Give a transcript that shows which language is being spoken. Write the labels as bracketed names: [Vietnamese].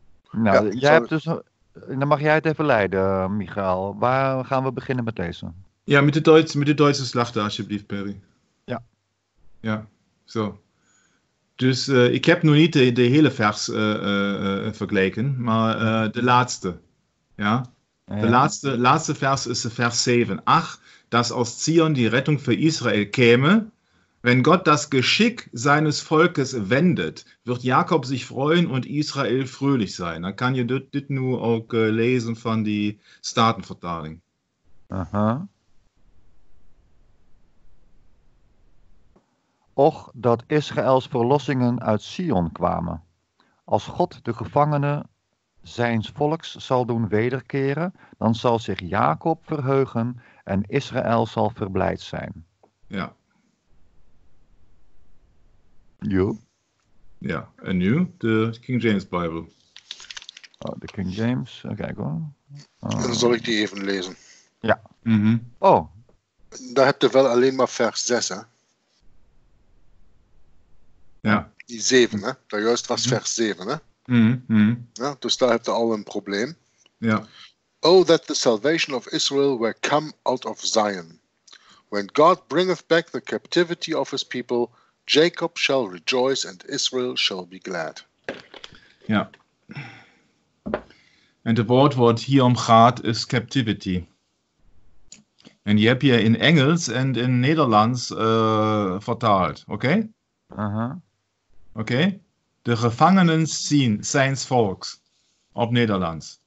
[Dutch] Nou, ja, jij hebt dus, dan mag jij het even leiden, Michael. Waar gaan we beginnen met deze? Ja, met de Duitse slachter, alsjeblieft, Perry. Ja. Ja, zo. Dus ik heb nu niet de hele vers vergeleken, maar de laatste. Ja? De laatste vers is de vers 7. [German] Ach, dass aus Zion die Rettung für Israel käme... Wenn Gott das Geschick seines Volkes wendet, wird Jakob sich freuen und Israel fröhlich sein. Dann kann ihr [Dutch] dit nu [German] auch lesen von die Statenvertaling. [Dutch] Aha. Och, dat Israels verlossingen uit Sion kwamen. Als God de gevangenen zijns volks zal doen wederkeren, dan zal zich Jakob verheugen en Israël zal verblijd zijn. Ja. Jo. Ja, en nu? De King James Bijbel. Oh, de King James. Kijk hoor. Dan zal ik die even lezen. Ja. Mm-hmm. Oh. Daar heb je wel alleen maar vers 6, hè? Ja. Die 7, hè? Daar juist was vers 7, hè? Mm-hmm. Ja, dus daar heb je al een probleem. Ja. [English] Oh, that the salvation of Israel were come out of Zion. When God bringeth back the captivity of his people, Jacob shall rejoice and Israel shall be glad. Ja. [Dutch] En het woord wat hier om gaat is captivity. En die heb je in Engels en in Nederlands vertaald, oké? Uh-huh. Oké? Okay? De gevangenen zien zijn volks op Nederlands.